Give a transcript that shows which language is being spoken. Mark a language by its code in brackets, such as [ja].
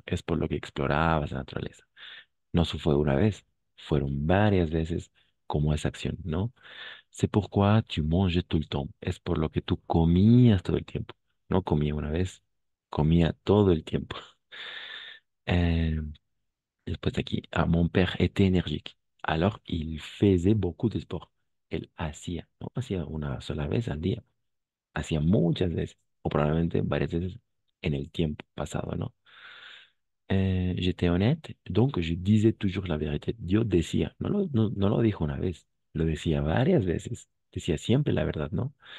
[es] Es por lo que explorabas la naturaleza. No solo fue una vez, fueron varias veces. Como esa acción, ¿no? [fr] C'est pourquoi tu manges tout le temps. [es] Es por lo que tú comías todo el tiempo. No comía una vez, comía todo el tiempo. Después de aquí, [fr] ah, mon père était énergique. Alors, il faisait beaucoup de sport. [es] Él hacía, no hacía una sola vez al día. Hacía muchas veces, o probablemente varias veces en el tiempo pasado, ¿no? [fr] J'étais honnête, donc je disais toujours la vérité. [es] Yo decía, no lo dijo una vez, lo decía varias veces. Decía siempre la verdad, ¿no?